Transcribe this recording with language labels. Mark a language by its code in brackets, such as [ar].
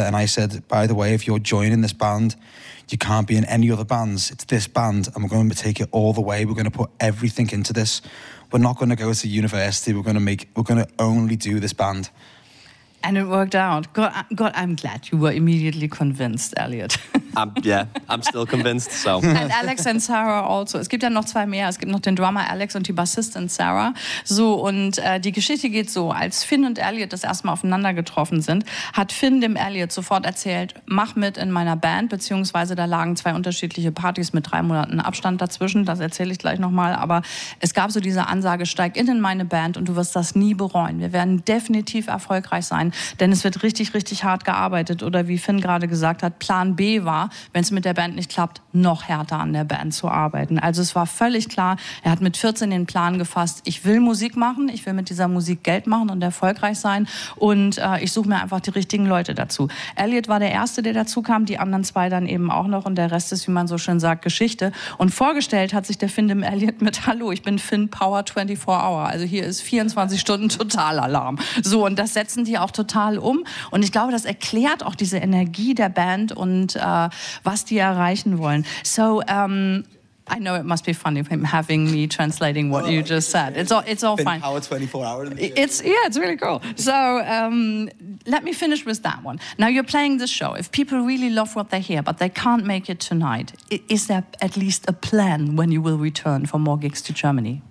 [en] And I said, by the way, if you're joining this band, you can't be in any other bands. It's this band, and we're going to take it all the way. We're going to put everything into this. We're not going to go to university. We're going to only do this band. And it worked out. God, I'm glad you were immediately convinced, Elliot. I'm still convinced, so. And Alex and Sarah also. [de] Es gibt ja noch zwei mehr. Es gibt noch den Drummer Alex und die Bassistin Sarah. So, und die Geschichte geht so. Als Finn und Elliot das erste Mal aufeinander getroffen sind, hat Finn dem Elliot sofort erzählt, mach mit in meiner Band, beziehungsweise da lagen zwei unterschiedliche Partys mit 3 Monaten Abstand dazwischen. Das erzähle ich gleich nochmal. Aber es gab so diese Ansage, steig in meine Band und du wirst das nie bereuen. Wir werden definitiv erfolgreich sein. Denn es wird richtig, richtig hart gearbeitet. Oder wie Finn gerade gesagt hat, Plan B war, wenn es mit der Band nicht klappt, noch härter an der Band zu arbeiten. Also es war völlig klar, er hat mit 14 den Plan gefasst, ich will Musik machen, ich will mit dieser Musik Geld machen und erfolgreich sein, und ich suche mir einfach die richtigen Leute dazu. Elliot war der Erste, der dazu kam, die anderen zwei dann eben auch noch, und der Rest ist, wie man so schön sagt, Geschichte. Und vorgestellt hat sich der Finn dem Elliot mit, hallo, ich bin Finn Power 24 Hour. Also hier ist 24 Stunden Totalalarm. So, und das setzen die auch total um. Und ich glaube, das erklärt auch diese Energie der Band und was die erreichen wollen. [en] So, I know it must be funny having me translating what you just said. It's all fine. Power 24 hours. It's really cool. So, let me finish with that one. Now, you're playing the show. If people really love what they hear, but they can't make it tonight, is there at least a plan when you will return for more gigs to Germany?